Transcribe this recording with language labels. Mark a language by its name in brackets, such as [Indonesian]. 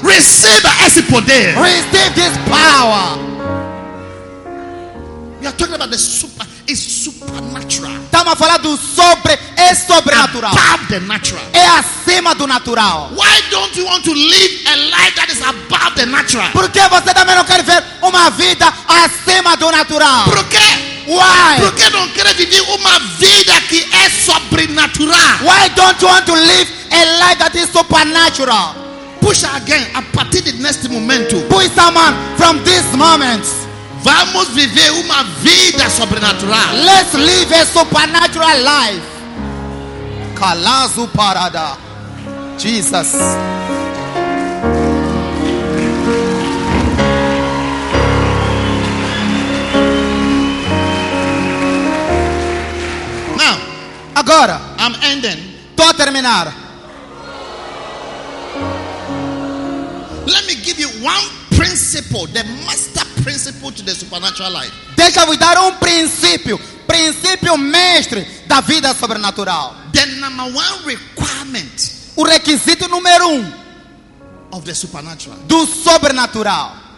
[English] Receive [Portuguese] esse poder. [English] Receive this power. We are talking about the super. It's supernatural. [Portuguese] Estamos a falar do sobre. É sobrenatural. [English] Above the natural. [Portuguese] É acima do natural. [English] Why don't you want to live a life that is above the natural? [Portuguese] Por que você também não quer ver uma vida acima do natural? Por que? [English] Why? [Portuguese] Por que não quer viver uma vida que é sobrenatural? [English] Why don't you want to live a life that is supernatural? Push again. [Portuguese] A partir de neste momento. [English] Push someone from this moment. [Portuguese] Vamos viver uma vida sobrenatural. [English] Let's live a supernatural life. Kalazu parada. Jesus. Now, [Portuguese] agora, [English] I'm ending. [Portuguese] Tô a terminar. [English] Let me give you one principle, the master principle to the supernatural life. [Portuguese] Deixa eu dar princípio, princípio mestre da vida sobrenatural. [English] The number one requirement, [Portuguese] o requisito número [English] of the supernatural, [Portuguese] do sobrenatural,